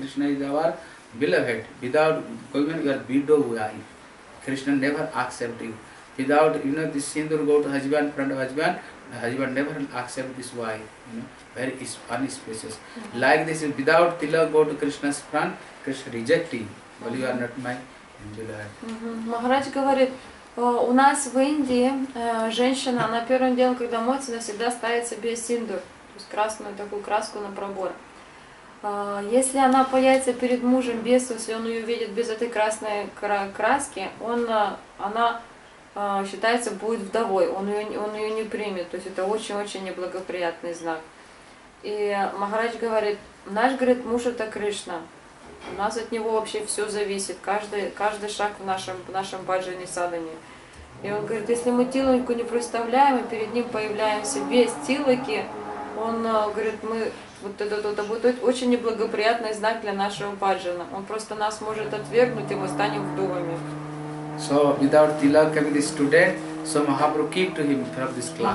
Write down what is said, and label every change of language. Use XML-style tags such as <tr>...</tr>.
<en>Krishna is our beloved. Without going, you are widow. Krishna never accept you. Without, you know, this sindur go to husband, front of husband, the husband never accept this wife. You know, very unspecious. Like this, without tilak, go to Krishna's front, Krishna reject you. Well, you are not my angel.</en> <ru>Maharaj говорит, у нас в Индии женщина на первом деле, когда моется, она всегда ставит себе синдур, то есть красную такую краску на пробор. Если она появится перед мужем без, если он ее видит без этой красной краски, она считается будет вдовой, он ее не примет, то есть это очень-очень неблагоприятный знак. И Махарадж говорит, наш, говорит, муж это Кришна. У нас от него вообще все зависит, каждый шаг в нашем баджане садане. И он говорит, если мы тилоку не представляем, и перед ним появляемся без тилоки, он говорит, мы вот это будет очень неблагоприятный знак для нашего баджана. Он просто нас может отвергнуть, и мы станем вдовами.</ru> <en>So without tilak coming this student, so Mahaprabhu keep to him from this class.</en>